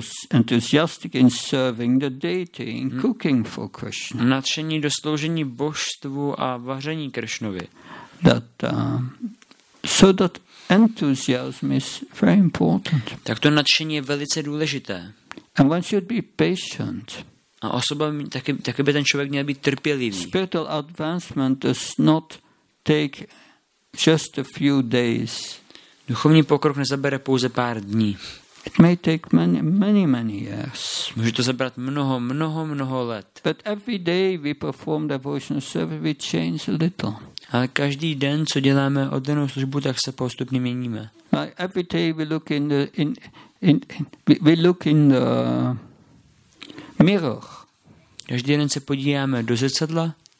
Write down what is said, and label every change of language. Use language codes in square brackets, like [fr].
[en] Enthusiastic in serving the deity, in cooking for Krishna. [cs] Nadšený do sloužení božstvu a vaření Kršnovi. [en] That, so that enthusiasm is very important. [cs] Tak to nadšení je velice důležité. [en] And one should be patient. [cs] A osoba, taky by ten člověk měl být trpělivý. [en] Spiritual advancement does not take just a few days. [cs] Duchovní pokrok nezabere pouze pár dní. [en] It may take many years. [cs] Může to zabrat mnoho let. [en] But every day we perform devotional service, we change a little. [cs] Ale každý den, co děláme oddanou službu, tak se postupně měníme. [en] Like every day we look in the mirror. [cs] Každý den se podíváme do zrcadla.